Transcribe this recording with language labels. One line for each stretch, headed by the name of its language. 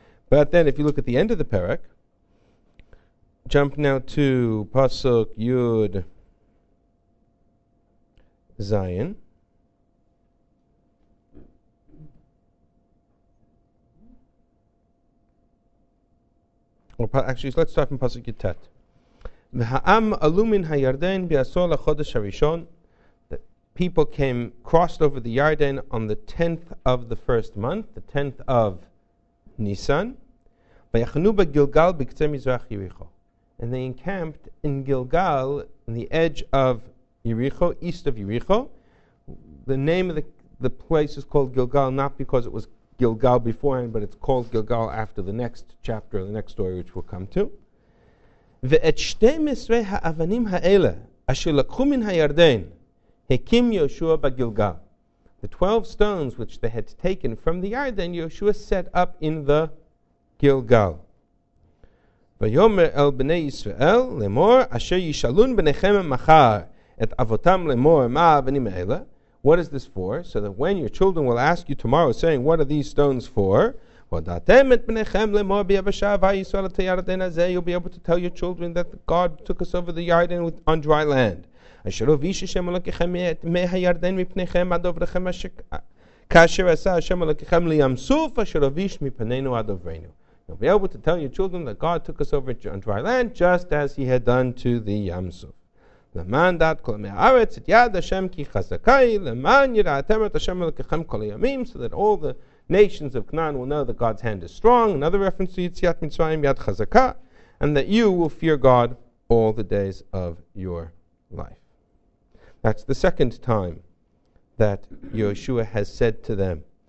English: But then, if you look at the end of the perek, jump now to Pasuk Yud Zion. Let's start from Pasuk Yud Tet.
Hebrew: והעם עלו מן הירדן בעשור לחודש הראשון.
English: The people came, crossed over the Yarden on the 10th of the first month, the 10th of Nisan.
Hebrew: ויחנו בגילגל בקצה מזרח יריחו.
English: And they encamped in Gilgal, in the edge of Yericho, east of Yericho. The name of the place is called Gilgal, not because it was Gilgal beforehand, but it's called Gilgal after the next chapter, the next story which we'll come to.
Hebrew: ואת 12 האבנים האלה אשר לקחו מן הירדן הקים יהושע בגלגל.
English: The 12 stones which they had taken from the Yarden, Yehoshua set up in the Gilgal.
Hebrew: ויאמר אל בני ישראל לאמור אשר ישאלון בניכם מחר את אבותם לאמור מה האבנים האלה.
English: What is this for? So that when your children will ask you tomorrow saying, what are these stones for?
Hebrew: הודעתם את בניכם לאמור ביבשה עבר ישראל את הירדן הזה.
English: You'll be able to tell your children that God took us over the Yarden on dry land.
Hebrew: אשר הוביש השם אלוקיכם את מי הירדן מפניכם עד עברכם כאשר עשה השם אלוקיכם לים סוף אשר הוביש מפנינו עד עברנו.
English: You'll be able to tell your children that God took us over on dry land just as he had done to the ים סוף.
Hebrew: למען דעת כל עמי הארץ את יד השם כי חזקה היא למען יראתם את השם אלוקיכם כל הימים.
English: So that all the nations of Canaan will know that God's hand is strong. Another reference to Yitziat Mitzrayim, Yad Chazakah, and that you will fear God all the days of your life. That's the second time that Yehoshua has said to them